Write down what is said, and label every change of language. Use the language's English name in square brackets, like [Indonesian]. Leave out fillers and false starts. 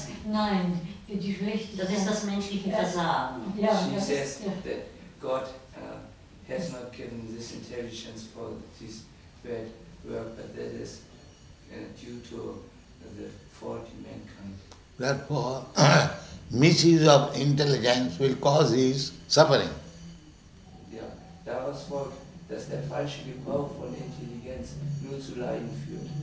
[German] Nein, für die Schlechtigkeit. Das ist das menschliche Versagen. Ja, [English] she says that God has not given this intelligence for this bad work, but that is due to the fault in mankind. Therefore, misuse of intelligence will cause his suffering. [German] Ja, daraus folgt, dass der falsche Gebrauch von Intelligenz nur zu Leiden führt.